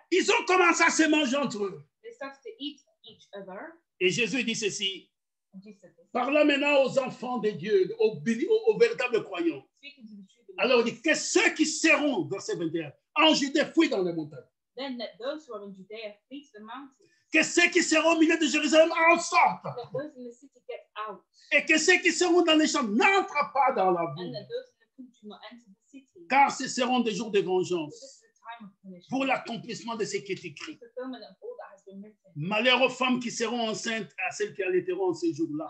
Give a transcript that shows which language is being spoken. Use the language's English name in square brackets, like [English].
[French] Ils ont commencé à se manger entre eux. [English] They started to eat each other. [French] Et Jésus dit ceci. [English] And Jesus said this. [French] Parlons maintenant aux enfants de Dieu, aux véritables croyants. Alors, il dit que ceux qui seront, verset 21, en Judée fuient dans les montagnes. [English] Then let those who are in Judea flee to the mountains. [French] Que ceux qui seront au milieu de Jérusalem en sortent. [English] Let those in the city get out. [French] Et que ceux qui seront dans les champs n'entrent pas dans la ville. [English] And let those in the country not enter the city. [French] Car ce seront des jours de vengeance. [English] So this is the time of punishment. [French] Pour l'accomplissement de ce qui est écrit. [English] The fulfillment of all that has been written. [French] Malheur aux femmes qui seront enceintes à celles qui allaiteront en ces jours-là.